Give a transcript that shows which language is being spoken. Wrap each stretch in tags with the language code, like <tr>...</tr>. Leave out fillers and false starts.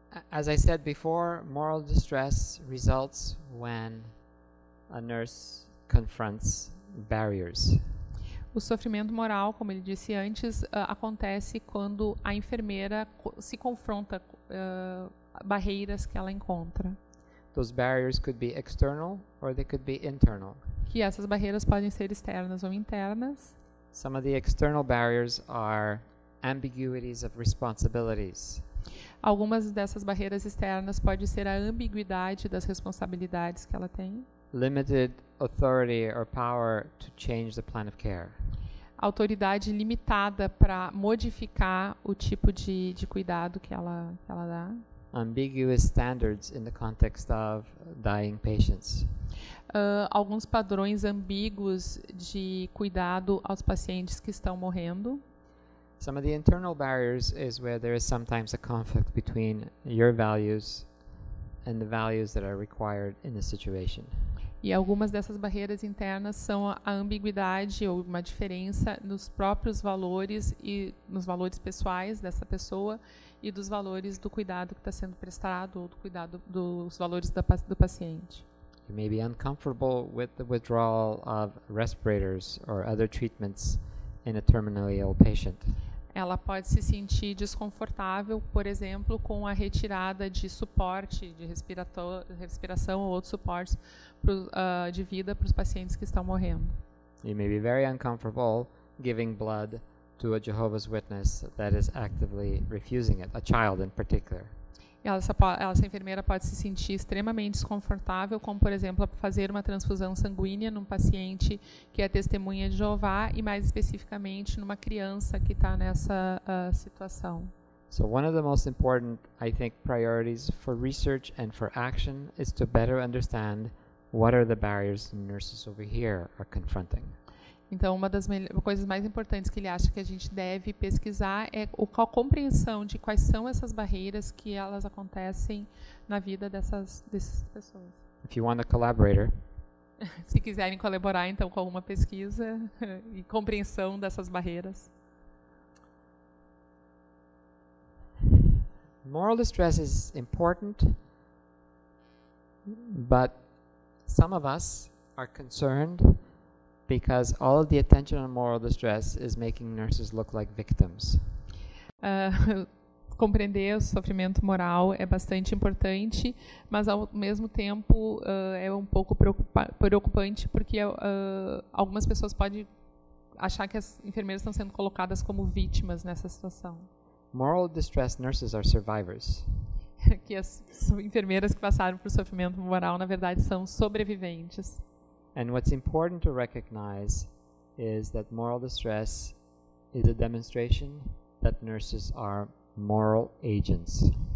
<en>As I said before, moral distress results when a nurse confronts barriers.</en> <pt>O sofrimento moral, como ele disse antes, acontece quando a enfermeira se confronta barreiras que ela encontra.</pt> <en>Those barriers could be external or they could be internal.</en> <pt>Que essas barreiras podem ser externas ou internas.</pt> <en>Some of the external barriers are ambiguities of responsibilities.</en> <pt>Algumas dessas barreiras externas podem ser a ambiguidade das responsabilidades que ela tem.</pt> <en>Limited authority or power to change the plan of care.</en> <pt>Autoridade limitada para modificar o tipo de cuidado que ela dá.</pt> <en>Ambiguous standards in the context of dying patients.</en> <pt>Alguns padrões ambíguos de cuidado aos pacientes que estão morrendo.</pt> <en>Some of the internal barriers is where there is sometimes a conflict between your values and the values that are required in the situation.</en> <pt>E algumas dessas barreiras internas são a ambiguidade ou uma diferença nos próprios valores e nos valores pessoais dessa pessoa e dos valores do cuidado que está sendo prestado ou do cuidado dos valores do paciente.</pt> <en>You may be uncomfortable with the withdrawal of respirators or other treatments in a terminally ill patient.</en> <pt>Ela pode se sentir desconfortável, por exemplo, com a retirada de suporte de respiração ou outros suportes de vida para os pacientes que estão morrendo.</pt> <en>You may be very uncomfortable giving blood to a Jehovah's Witness that is actively refusing it, a child in particular.</en> <pt>Essa enfermeira pode se sentir extremamente desconfortável, como, por exemplo, fazer uma transfusão sanguínea num paciente que é testemunha de Jeová e, mais especificamente, numa criança que está nessa situação.</pt> <en>So one of the most important, I think, priorities for research and for action is to better understand what are the barriers the nurses over here are confronting.</en> <pt>Então, uma das coisas mais importantes que ele acha que a gente deve pesquisar é a compreensão de quais são essas barreiras que elas acontecem na vida dessas pessoas.</pt> <en>If you want a collaborator,</en> <pt>se quiserem colaborar, então, com alguma pesquisa e compreensão dessas barreiras.</pt> <en>Moral distress is important, but some of us are concerned Because all of the attention on moral distress is making nurses look like victims.</en> <pt>Compreender o sofrimento moral é bastante importante, mas ao mesmo tempo é um pouco preocupante, porque algumas pessoas podem achar que as enfermeiras estão sendo colocadas como vítimas nessa situação.</pt> <en>Moral distress nurses are survivors.</en> <pt>Que as enfermeiras que passaram por sofrimento moral, na verdade, são sobreviventes.</pt> <en>And what's important to recognize is that moral distress is a demonstration that nurses are moral agents.</en>